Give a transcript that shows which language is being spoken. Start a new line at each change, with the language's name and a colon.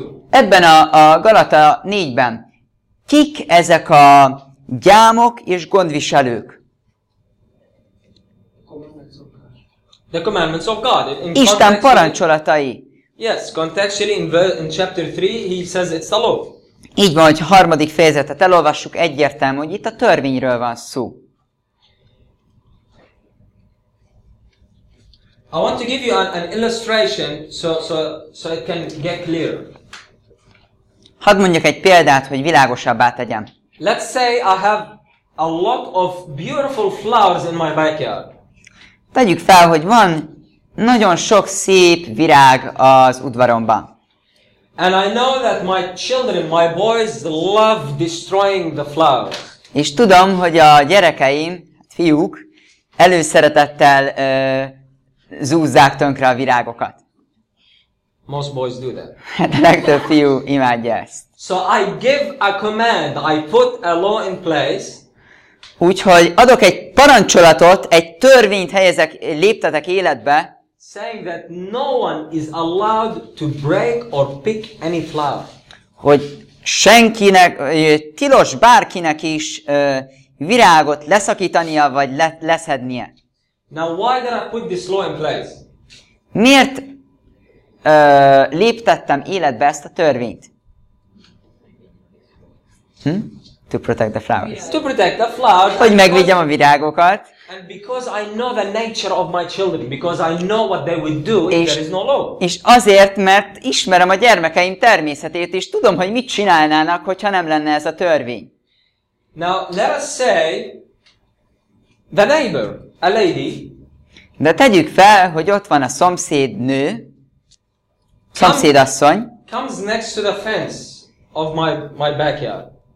Hungarian: Ebben a Galata 4-ben kik ezek a gyámok és gondviselők?
English: The commandments of God.
Hungarian: Isten parancsolatai.
English: Yes, contextually in chapter 3 he says it's the law.
Hungarian: Így van, hogy harmadik fejezetet elolvassuk, egyértelmű, hogy itt a törvényről van szó.
English: I want to give you an illustration so it can get clear.
Hungarian: Hadd mondjak egy példát, hogy világosabbá tegyem.
English: Let's say I have a lot of beautiful flowers in my backyard.
Hungarian: Tegyük fel, hogy van nagyon sok szép virág az udvaromban.
English: And I know that my children, my boys love destroying the flowers.
Hungarian: És tudom, hogy a gyerekeim, fiúk előszeretettel zúzzák tönkre a virágokat.
English: Most boys do that.
Hungarian: De legtöbb fiú imádja ezt.
English: So I give a command, I put a law in place.
Hungarian: Úgyhogy adok egy parancsolatot, egy törvényt helyezek, léptetek életbe.
English: Saying that no one is allowed to break or pick any flower.
Hungarian: Hogy senkinek, tilos bárkinek is virágot leszakítania vagy leszednie.
English: Now why did I put this law in place?
Hungarian: Miért léptettem életbe ezt a törvényt?
English: To protect the flowers. To protect the flowers.
Hungarian: Hogy megvédjem a virágokat.
English: And because I know the nature of my children, because I know what they would do if there is no law.
Hungarian: És azért, mert ismerem a gyermekeim természetét, és tudom, hogy mit csinálnának, hogyha nem lenne ez a törvény.
English: Now let us say the neighbor, a lady.
Hungarian: De tegyük fel, hogy ott van a szomszéd nő, szomszédasszony.
English: Comes next to the fence of my backyard.